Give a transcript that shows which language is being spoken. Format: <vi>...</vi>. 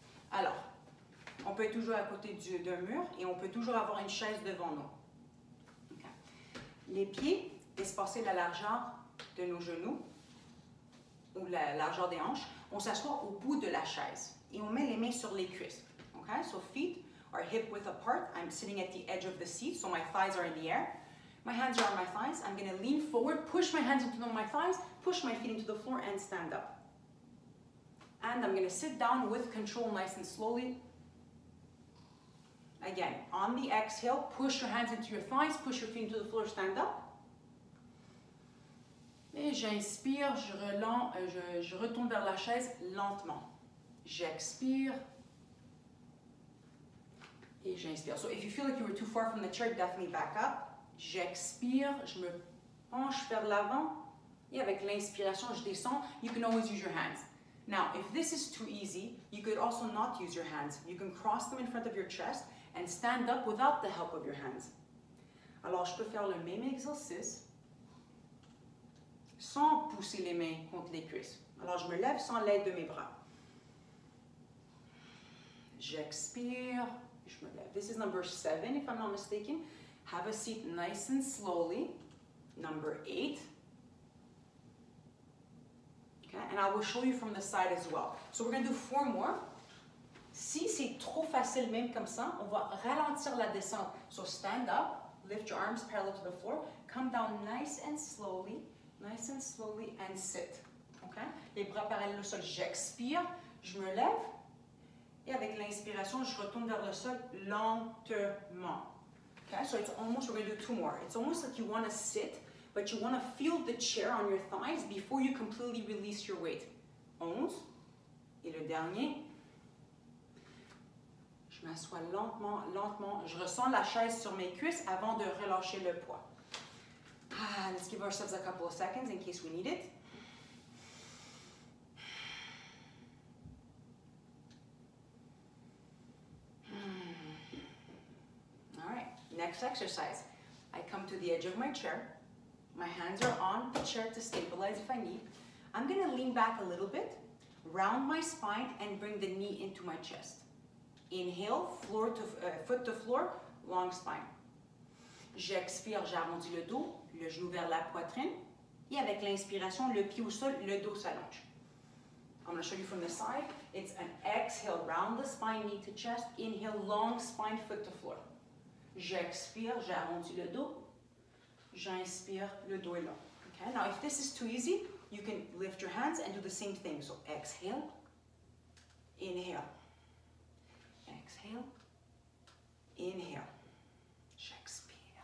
<fr>Alors, on peut être toujours à côté d'un mur et on peut toujours avoir une chaise devant nous. Okay. Les pieds, espacés la largeur de nos genoux ou la largeur des hanches, on s'assoit au bout de la chaise et on met les mains sur les cuisses.</fr> <en>OK? So, feet are hip-width apart. I'm sitting at the edge of the seat, so my thighs are in the air. My hands are on my thighs. I'm going to lean forward, push my hands into my thighs, push my feet into the floor, and stand up. And I'm going to sit down with control nice and slowly. Again, on the exhale, push your hands into your thighs, push your feet into the floor, stand up.</en> <fr>Et j'inspire, je retourne vers la chaise lentement. J'expire. Et j'inspire.</fr> <en>So if you feel like you were too far from the chair, definitely back up.</en> <fr>J'expire, je me penche vers l'avant. Et avec l'inspiration, je descends.</fr> <en>You can always use your hands. Now, if this is too easy, you could also not use your hands. You can cross them in front of your chest and stand up without the help of your hands.</en> <fr>Alors, je peux faire le même exercice sans pousser les mains contre les cuisses. Alors, je me lève sans l'aide de mes bras. J'expire.</fr> <en>This is number 7, if I'm not mistaken. Have a seat nice and slowly. Number 8. Okay, and I will show you from the side as well. So we're gonna do four more.</en> <fr>Si c'est trop facile même comme ça, on va ralentir la descente.</fr> <en>So stand up, lift your arms parallel to the floor, come down nice and slowly and sit. Okay?</en> <fr>Les bras parallèles au sol, j'expire, je me lève, et avec l'inspiration, je retourne vers le sol lentement.</fr> <en>Okay, so it's almost, we're gonna do two more. It's almost like you wanna sit, but you wanna feel the chair on your thighs before you completely release your weight.</en> <fr>11, et le dernier. Je m'assois lentement, lentement. Je ressens la chaise sur mes cuisses avant de relâcher le poids.</fr> <en>Ah, let's give ourselves a couple of seconds in case we need it. Next exercise, I come to the edge of my chair. My hands are on the chair to stabilize if I need. I'm gonna lean back a little bit, round my spine and bring the knee into my chest. Inhale, foot to floor, long spine.</en> <fr>J'expire, j'arrondis le dos, le genou vers la poitrine. Et avec l'inspiration, le pied au sol, le dos s'allonge.</fr> <en>I'm gonna show you from the side. It's an exhale, round the spine, knee to chest. Inhale, long spine, foot to floor.</en> <fr>J'expire, j'arrondis le dos. J'inspire, le dos est long.</fr> <en>Okay, now if this is too easy, you can lift your hands and do the same thing. So exhale, inhale. Exhale, inhale.</en> <fr>J'expire.</fr>